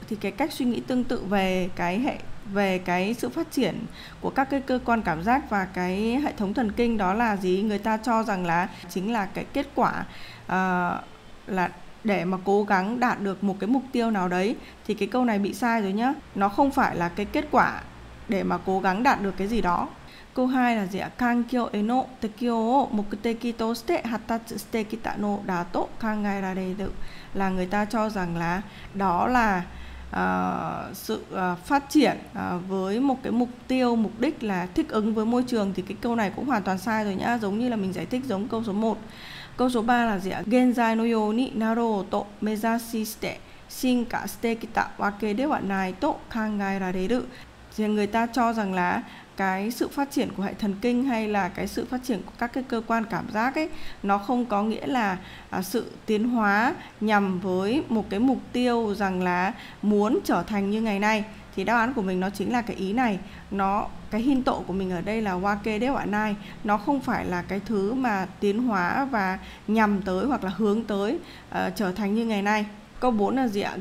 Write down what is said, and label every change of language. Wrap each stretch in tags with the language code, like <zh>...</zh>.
<vi>Thì cái cách suy nghĩ tương tự về cái sự phát triển của các cái cơ quan cảm giác và cái hệ thống thần kinh đó là gì, người ta cho rằng là chính là cái kết quả là để mà cố gắng đạt được một cái mục tiêu nào đấy. Thì cái câu này bị sai rồi nhá, nó không phải là cái kết quả để mà cố gắng đạt được cái gì đó. Câu 2 là gì ạ?</vi> <ja>環境 への適応を目的として発達してきたのだと考えられる。</ja> <vi>Là người ta cho rằng là đó là sự phát triển với một cái mục tiêu, mục đích là thích ứng với môi trường. Thì cái câu này cũng hoàn toàn sai rồi nhá, giống như là mình giải thích giống câu số 1. Câu số 3 là gì ạ?</vi> <ja>現在のようになろうと目指して進化してきたわけではないと考えられる。</ja> <vi>Thì người ta cho rằng là cái sự phát triển của hệ thần kinh hay là cái sự phát triển của các cái cơ quan cảm giác ấy, nó không có nghĩa là sự tiến hóa nhằm với một cái mục tiêu rằng là muốn trở thành như ngày nay. Thì đáp án của mình nó chính là cái ý này. Nó cái hiện tượng của mình ở đây là wake deo anai, nó không phải là cái thứ mà tiến hóa và nhằm tới hoặc là hướng tới trở thành như ngày nay. Câu 4 là gì ạ?</vi>